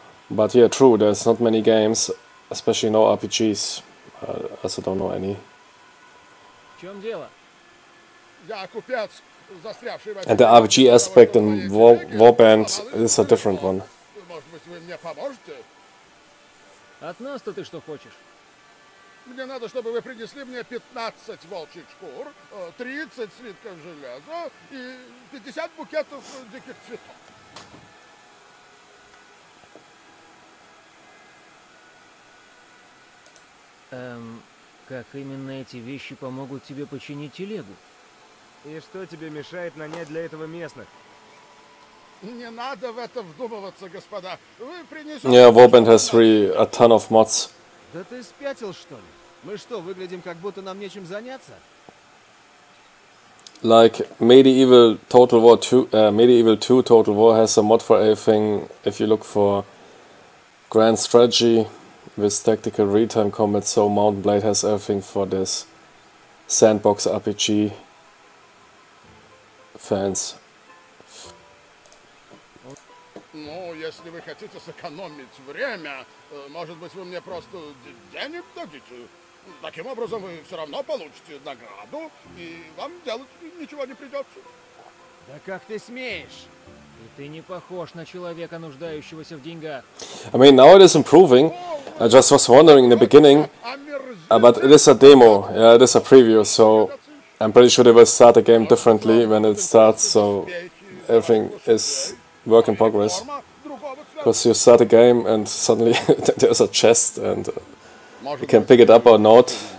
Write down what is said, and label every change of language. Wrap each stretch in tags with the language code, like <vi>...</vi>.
<en>But yeah, true, there's not many games, especially no RPGs. I don't know any. And the RPG aspect in Warband is a different one.</en> <ru>От нас-то ты что хочешь? Мне надо, чтобы вы принесли мне 15 волчьих шкур, 30 слитков железа и 50 букетов диких цветов. Как именно эти вещи помогут тебе починить телегу? И что тебе мешает нанять для этого местных? Не надо в это вдумываться, господа. Вы принесете...</ru> <en>Yeah, Warband has three, a ton of mods.</en> <ru>Да ты спятил, что ли? Мы что, выглядим, как будто нам нечем заняться?</ru> <en>Like Medieval Total War 2, Medieval 2 Total War has a mod for everything. If you look for Grand Strategy with Tactical Real-Time Combat, so Mountain Blade has everything for this sandbox RPG fans.</en> <ru>Ну, если вы хотите сэкономить время, может быть, вы мне просто денег дадите? Таким образом, вы все равно получите награду, и вам делать ничего не придется. Да как ты смеешь? И ты не похож на человека, нуждающегося в деньгах.</ru> <en>I mean, now it is improving. I just was wondering in the beginning, but it is a demo, yeah, it is a preview, so I'm pretty sure they will start the game differently when it starts, so everything is work in progress. Because you start a game and suddenly there's a chest and you can pick it up or not.</en>